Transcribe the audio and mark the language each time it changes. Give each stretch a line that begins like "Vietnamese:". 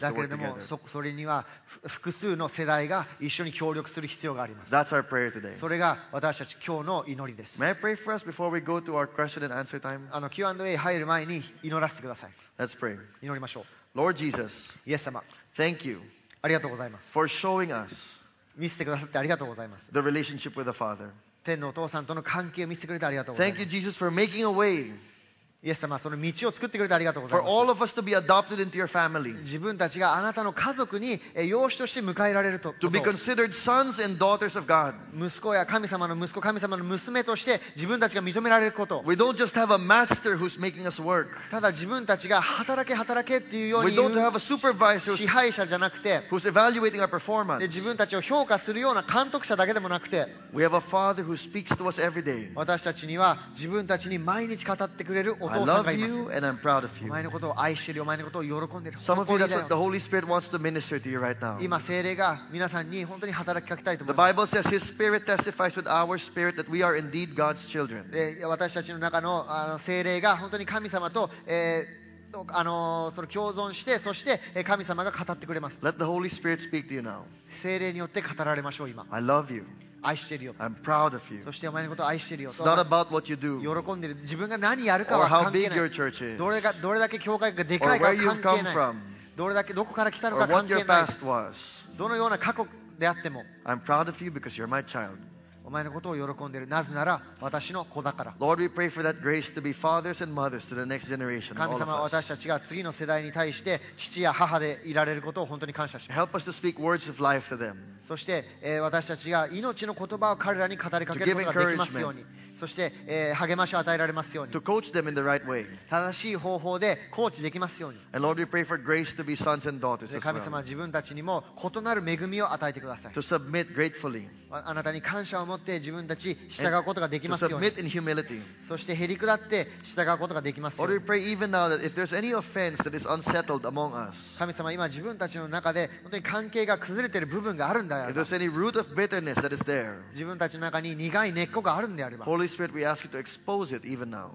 Japanese: だけれども、それには複数の世代が一緒に協力する必要があります。
English: That's our prayer today.
Japanese: それが私たち今日の祈りです。
English: May I pray for us before we go to our question and answer time?
Japanese: Q&A 入る前に祈らせてください。
English: Let's pray.
Japanese: 祈りましょう。
English: Lord Jesus.
Japanese: イエス様。
English: Thank you.
Japanese: ありがとうございます。
English: For showing us.
Japanese: 見せてくださってありがとうございます。
English: The relationship with the Father.
Japanese: 天のお父さんとの関係を見せてくれてありがとうございます。
English: Thank you, Jesus, for making a way.
Japanese: イエス様、その道を作ってくれてありがとうございます。
English: For all of us to be adopted into your family.
Japanese: 自分たちがあなたの家族に養子として迎えられると。
English: To be considered sons and daughters of God.
Japanese: 息子や神様の息子、神様の娘として自分たちが認められること。
English: We don't just have a master who's making us work.
Japanese: ただ自分たちが働け働けっていうように。
English: We don't have a supervisor
Japanese: 支配者じゃなくて。
English: Who's evaluating our performance.
Japanese: で自分たちを評価するような監督者だけでもなくて。
English: We have a father who speaks to us every day.
Japanese: 私たちには自分たちに毎日語ってくれる。
English: I love you and I'm proud of you.
Japanese: お前のことを愛してるよ。お前のことを喜んでる。
English: Some of you, that's what the Holy Spirit wants to minister to you right now.
Japanese: 今聖霊が皆さんに本当に働きかけたいと思います。
English: The Bible says His Spirit testifies with our spirit that we are indeed God's children.
Japanese: 私たちの中の聖霊が本当に神様と、その共存して、そして神様が語ってくれます。
English: Let the Holy Spirit speak to you now.
Japanese: 聖霊によって語られましょう今。
English: I love you.
Japanese: 愛してるよ。
English: I'm proud of you.
Japanese: そしてお前のことを愛してるよ。
English: It's not about what you do.
Japanese: 喜んでる。自分が何やるかは関係ない。どれだけ教会がでかいかは関係ない。どこから来たのか関係ない。どのような過去であっても。
English: I'm proud of you because you're my child.
Japanese: お前のことを喜んでる。なぜなら私の子だから。
English: Lord, we pray for that grace to be fathers and mothers to the next generation.
Japanese: 神様、私たちが次の世代に対して父や母でいられることを本当に感謝します。
English: Help us to speak words of life to them.
Japanese: そして、私たちが命の言葉を彼らに語りかけることができますように。そして、励ましを与えられますように。
English: To coach them in the right way.
Japanese: 正しい方法でコーチできますように。
English: And Lord, we pray for grace to be sons and daughters as well.
Japanese: 神様、自分たちにも異なる恵みを与えてください。
English: To submit gratefully.
Japanese: あなたに感謝を持って自分たち従うことができますように。
English: Submit in humility.
Japanese: そしてへりくだって従うことができますように。
English: Lord, we pray even now that if there's any offense that is unsettled among us.
Japanese: 神様、今自分たちの中で本当に関係が崩れている部分があるんだよ。
English: If there's any root of bitterness that is there.
Japanese: 自分たちの中に苦い根っこがあるんであれば。
English: Holy Spirit, we ask you to expose it even now.